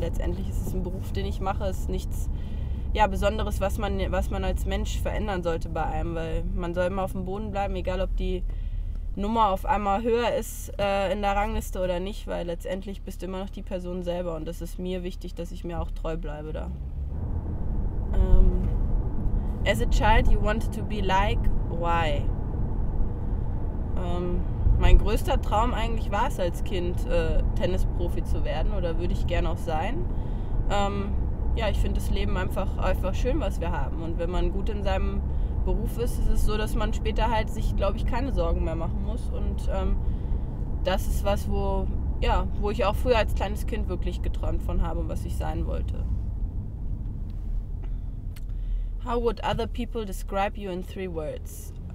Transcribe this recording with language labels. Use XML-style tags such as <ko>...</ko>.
<de>Letztendlich ist es ein Beruf, den ich mache. Es ist nichts ja, Besonderes, was man als Mensch verändern sollte bei einem, weil man soll immer auf dem Boden bleiben, egal ob die Nummer auf einmal höher ist in der Rangliste oder nicht, weil letztendlich bist du immer noch die Person selber und das ist mir wichtig, dass ich mir auch treu bleibe da.</de> <en>As a child you wanted to be like, why?</en> <de>Mein größter Traum eigentlich war es als Kind, Tennisprofi zu werden oder würde ich gerne auch sein. Ja, ich finde das Leben einfach schön, was wir haben und wenn man gut in seinem Beruf ist, ist es so, dass man später halt sich, glaube ich, keine Sorgen mehr machen muss und das ist was, wo, ja, wo ich auch früher als kleines Kind wirklich geträumt von habe, was ich sein wollte.</de> <en>How would other people describe you in 3 words?</en>